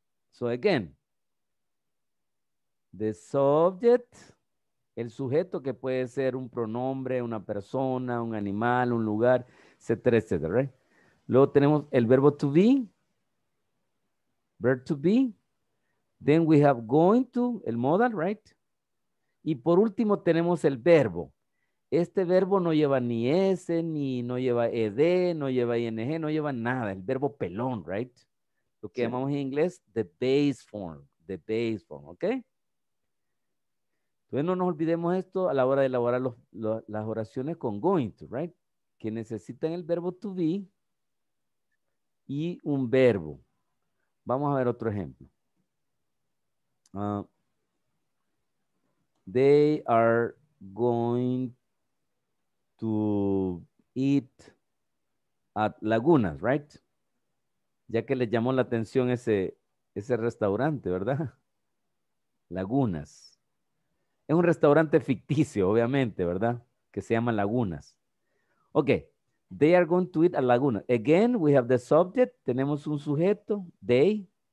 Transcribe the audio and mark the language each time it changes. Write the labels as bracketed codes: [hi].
[en] So again, the subject, [es] el sujeto que puede ser un pronombre, una persona, un animal, un lugar, etcétera, etcétera, right? Luego tenemos el verbo to be, verb to be. [en] Then we have going to, el modal, right? [es] Y por último tenemos el verbo. Este verbo no lleva ni S, ni no lleva ED, no lleva ING, no lleva nada. El verbo pelón, right? Lo que llamamos en inglés, the base form, ¿ok? Entonces no nos olvidemos esto a la hora de elaborar las oraciones con going to, right? Que necesitan el verbo to be y un verbo. Vamos a ver otro ejemplo. [en] They are going to eat at Lagunas, right? [es] Ya que les llamó la atención ese restaurante, ¿verdad? Lagunas. Es un restaurante ficticio, obviamente, ¿verdad? Que se llama Lagunas. [en] Okay. They are going to eat at Lagunas. Again, we have the subject. [es] Tenemos un sujeto, they.